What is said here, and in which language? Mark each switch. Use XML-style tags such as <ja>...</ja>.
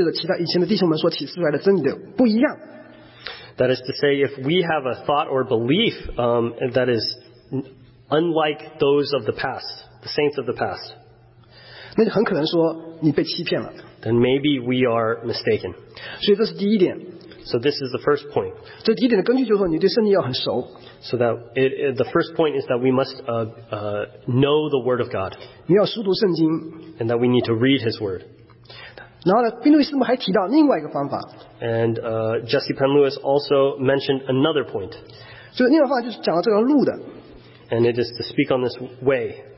<zh>就是如果你得到的启示跟圣经里面以前所启示的，就是其他以前的弟兄们所启示出来的真理的不一样。</zh> <en>That is to say, if we have a thought or belief that is unlike those of the past, the saints of the past,</en> <zh>那就很可能说你被欺骗了。</zh> <en>Then maybe we are mistaken.</en> <zh>所以这是第一点。</zh> <en>So this is the first point.</en> <zh>这第一点的根据就是说，你对圣经要很熟。</zh> <en>So that the first point is that we must know the Word of God.</en> <zh>你要熟读圣经。</zh> <en>And that we need to read His Word.</en> <zh>然后呢，宾路易师母还提到另外一个方法。</zh> <en>And Jessie Penn Lewis also mentioned another point.</en> <zh>所以另外一个方法就是讲到这个路的。</zh> <en>And it is to speak on this way.</en>